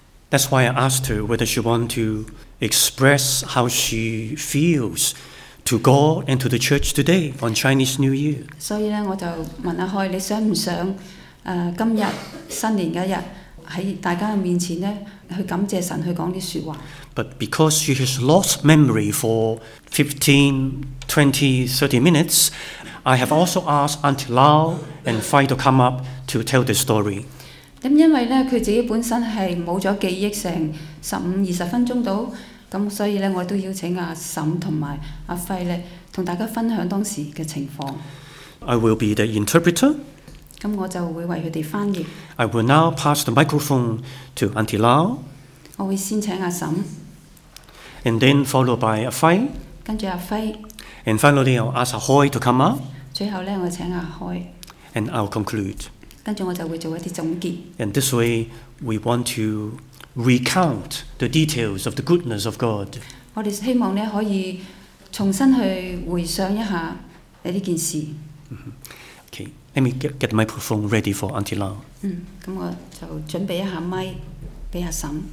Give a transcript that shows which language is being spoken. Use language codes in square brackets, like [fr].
[en] That's why I asked her whether she wanted to express how she feels to God and to the church today on Chinese New Year. [yue] 所以我就問阿開，你想不想今天新年的一天在大家面前呢，去感謝神，去講啲説話。 [en] But because she has lost memory for 15, 20, 30 minutes, I have also asked Aunt Lau and Fai to come up to tell the story. [yue] 咁因為咧，佢自己本身係冇咗記憶，成15-20 minutes到，咁所以咧，我都邀請阿嬸同埋阿輝咧，同大家分享當時嘅情況。 [en] I will be the interpreter. [yue] 咁我就會為佢哋翻譯。 [en] I will now pass the microphone to Auntie Lau。 [yue] 我會先請阿嬸。 [en] And then followed by Fei。 [yue] 跟住阿輝。 [en] And finally, I'll ask Ahoy to come up。 [yue] 最後咧，我請阿開。 [en] And I'll conclude。 [yue] 跟住我就會做一啲總結。 [en] And this way, we want to recount the details of the goodness of God。 [yue] 我哋希望咧可以重新去回想一下呢件事。 [en] Okay。 Let me get the microphone ready for Auntie Lau. [yue] 咁我就準備一下麥俾阿嬸。